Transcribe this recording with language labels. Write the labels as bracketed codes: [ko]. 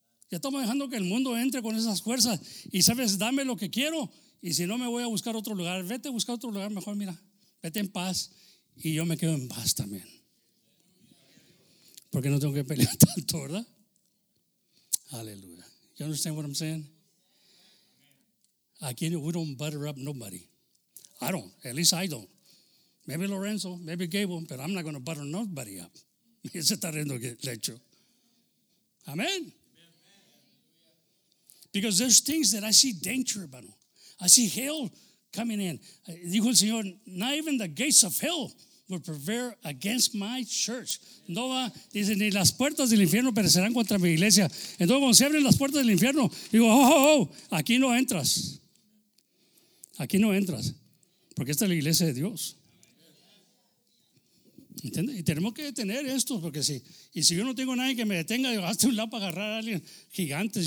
[es] Ya estamos dejando que el mundo entre con esas fuerzas. Y sabes, dame lo que quiero. Y si no, me voy a buscar otro lugar. Vete a buscar otro lugar, mejor mira. Vete en paz y yo me quedo en paz también. Porque no tengo que pelear tanto, ¿verdad? Aleluya. [en] You understand what I'm saying? Amen. We don't butter up nobody. I don't. At least I don't. Maybe Lorenzo, maybe Gable, but I'm not going to butter nobody up. [es] Se está riendo el lecho. [en] Amen. Because there's things that I see danger, hermano. I see hell coming in. [es] Dijo el Señor, [en] not even the gates of hell will prevail against my church. [es] No va, dice, ni las puertas del infierno perecerán contra mi iglesia. Entonces, cuando se abren las puertas del infierno, digo, aquí no entras. Aquí no entras. Porque esta es la iglesia de Dios. ¿Entiende? Y tenemos que detener esto, porque si, y si yo no tengo nadie que me detenga, digo, hazte un lado para agarrar a alguien, gigantes.